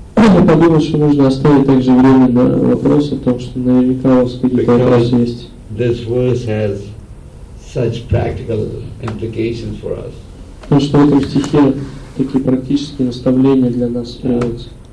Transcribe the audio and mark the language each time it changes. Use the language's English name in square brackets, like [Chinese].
[Russian] Я подумал, что нужно оставить также время на вопросы, потому что наверняка у вас какие-то вопросы есть. [English] This verse has such practical implications for us. [Russian] Потому что в этом стихе такие практические наставления для нас приводятся.